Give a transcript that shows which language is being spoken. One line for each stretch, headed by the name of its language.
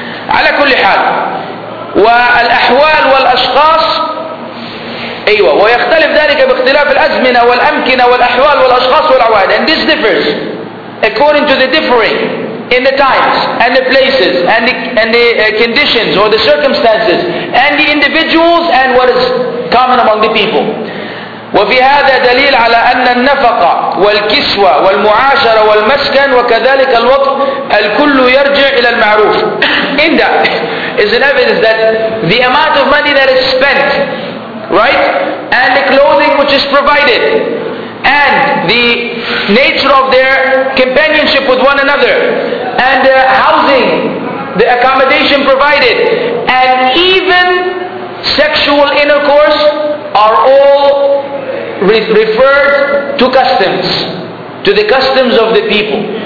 Arabic: على كل حال والأحوال والأشخاص أيوة ويختلف ذلك باختلاف الأزمنة والأمكنة والأحوال والأشخاص والعوائد.
English: And this differs according to the differing in the times and the places and the conditions or the circumstances and the individuals and what is common among the people.
Arabic: وفي هذا دليل على أن النفقة والكسوة والمعاشرة والمسكن وكذلك الوقت الكل يرجع إلى المعروف.
English: In that is an evidence that the amount of money that is spent, right, and the clothing which is provided, and the nature of their companionship with one another, and the housing, the accommodation provided, and even sexual intercourse are all referred to customs, to the customs of the people.